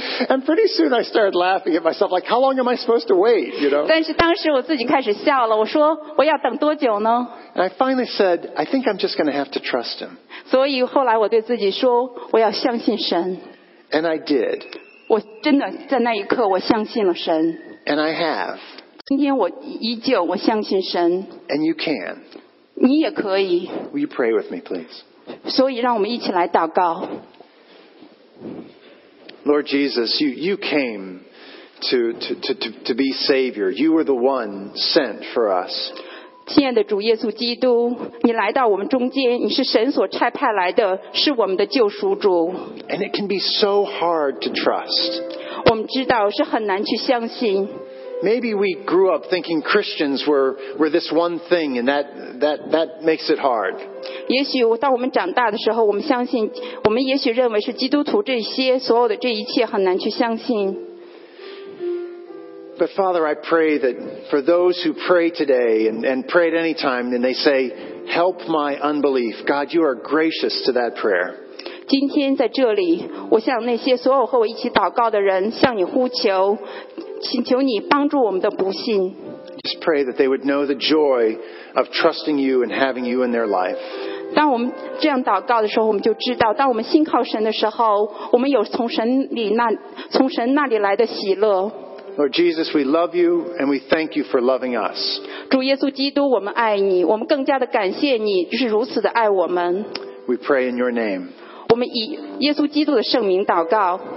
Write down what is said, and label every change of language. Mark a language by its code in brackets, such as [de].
[en] And pretty soon I started laughing at myself Like how long am I supposed to wait you know? [zh] 但是当时我自己开始笑了我说我要等多久呢 [en] And I finally said I think I'm just going to have to trust him [zh] 所以后来我对自己说我要相信神 [en] And I did [zh] 我真的在那一刻我相信了神 [en] And I have [zh] 今天我依旧我相信神 [en] And you can [zh] 你也可以。 [en] Will you pray with me, please? [zh] 所以让我们一起来祷告。 [en] Lord Jesus, you came to be Savior. You were the one sent for us. [zh] 亲爱的主耶稣基督，你来到我们中间，你是神所差派来的，是我们的救赎主。 [en] And it can be so hard to trust. [zh] 我们知道是很难去相信。 [en] Maybe we grew up thinking Christians were this one thing, and that makes it hard. [zh] 也许当我们长大的时候，我们相信，我们也许认为是基督徒这些所有的这一切很难去相信。 [en] But Father, I pray that for those who pray today and pray at any time, and they say, "Help my unbelief." God, you are gracious to that prayer. [zh] 今天在这里，我向那些所有和我一起祷告的人向你呼求。请求你帮助我们的不信。 [en] Just pray that they would know the joy of trusting you and having you in their life. [zh] 当我们这样祷告的时候，我们就知道，当我们信靠神的时候，我们有从神那里来的喜乐。 [en] Lord Jesus, we love you and we thank you for loving us. [zh] 主耶稣基督，我们爱你，我们更加的感谢你，就是如此的爱我们。 [en] We pray in your name. [zh] 我们以耶稣基督的圣名祷告。